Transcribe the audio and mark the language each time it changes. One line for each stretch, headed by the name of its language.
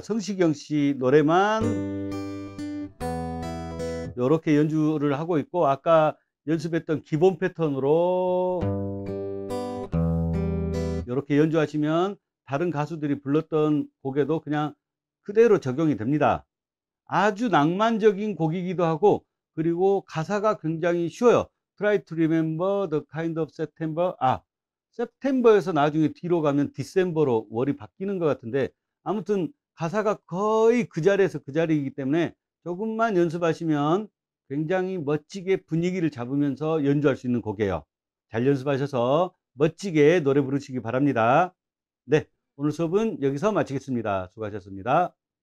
Korean: 성시경 씨 노래만 이렇게 연주를 하고 있고, 아까 연습했던 기본 패턴으로 이렇게 연주하시면 다른 가수들이 불렀던 곡에도 그냥 그대로 적용이 됩니다. 아주 낭만적인 곡이기도 하고, 그리고 가사가 굉장히 쉬워요.
English: Try to remember the kind of September.
Korean: 아, September에서 나중에 뒤로 가면 December로 월이 바뀌는 것 같은데, 아무튼 가사가 거의 그 자리에서 그 자리이기 때문에 조금만 연습하시면 굉장히 멋지게 분위기를 잡으면서 연주할 수 있는 곡이에요. 잘 연습하셔서 멋지게 노래 부르시기 바랍니다. 네, 오늘 수업은 여기서 마치겠습니다. 수고하셨습니다.